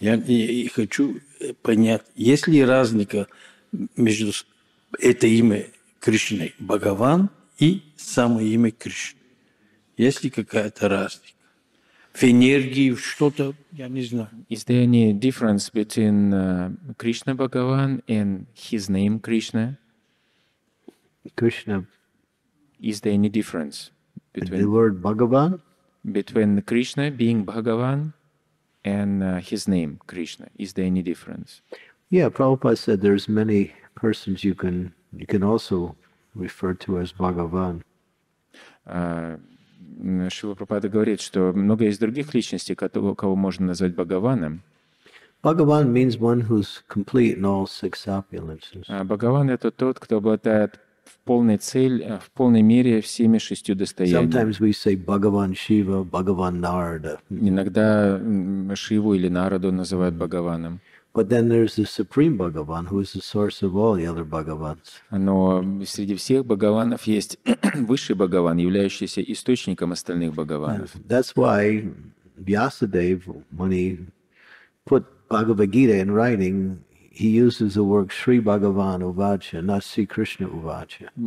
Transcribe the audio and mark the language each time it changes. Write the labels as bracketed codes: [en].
[ru] Я хочу понять, есть ли разника между это имя Кришны, Бхагаван, и самое имя Кришны? Есть ли какая-то разница? В энергии, что-то, я не знаю. [en] Is there any difference between Krishna Bhagavan and his name Krishna? Krishna. Is there any difference between the word Bhagavan? Between Krishna being Bhagavan and his name Krishna. Is there any difference? Yeah, Prabhupada said there's many persons you can also refer to as Bhagavan. [ru] Шрила Прабхупада говорит, что много есть других личностей, кого можно назвать Бхагаваном. [en] Бхагаван means one who's complete in all six opulences. [ru] Бхагаван — это тот, кто обладает в полной мере всеми шестью достояниями. [en] Sometimes we say Bhagavan Shiva, Bhagavan Narada. [ru] Иногда Шиву или Нараду называют Бхагаваном. [en] But then there's the supreme Bhagavan, who is the source of all the other Bhagavans. [ru] Но среди всех Бхагаванов есть высший Бхагаван, являющийся источником остальных Бхагаванов. [en] That's why Vyasadeva, when he put Bhagavad Gita in writing, he uses the word Sri Bhagavan Uvacha, not Sri Krishna Uvacha.